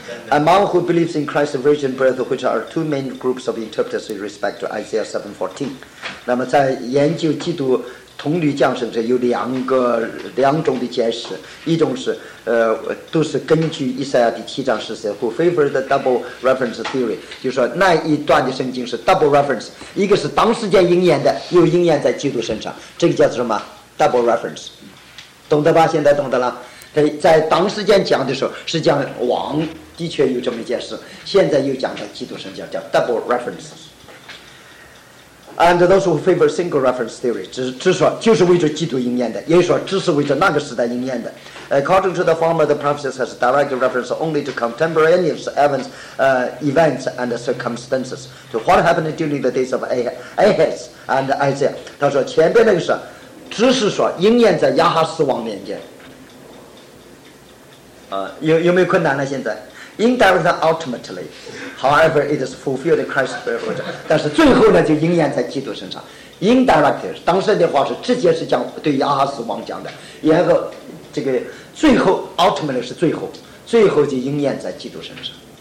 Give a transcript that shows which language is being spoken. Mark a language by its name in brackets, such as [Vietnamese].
[English] Among who believes in Christ's virgin birth, which are two main groups of interpreters with respect to Isaiah 7:14. [Chinese] 那么在研究基督童女降生时，有两种的解释。一种是都是根据以赛亚第七章十四节 [English] who favored the double reference theory， [Chinese] 就是说那一段的圣经是 double reference， 一个是当时间应验的，又应验在基督身上，这个叫做什么 double reference， 懂得吧？现在懂得了。在当时间讲的时候是讲王的确有这么一件事，现在又讲到基督神教叫 double references。 [English] And those who favor single reference theory [Chinese] 只说就是为着基督应验的，也说只是为着那个时代应验的。 [English] According to the former, the prophecies has direct reference only to contemporaneous events, events and circumstances to what happened during the days of Ahaz and Isaiah. [Chinese] 他说前边那个是只是说应验在亚哈斯王年间，有没有困难呢？ [English] 现在Indirectly, ultimately, however, it is fulfilled in Christ's birth. [Chinese] 但是最后呢，就应验在基督身上。 Indirectly, 当时的话是直接是讲对亚哈斯王讲的，然后这个最后 ultimately 是最后就应验在基督身上。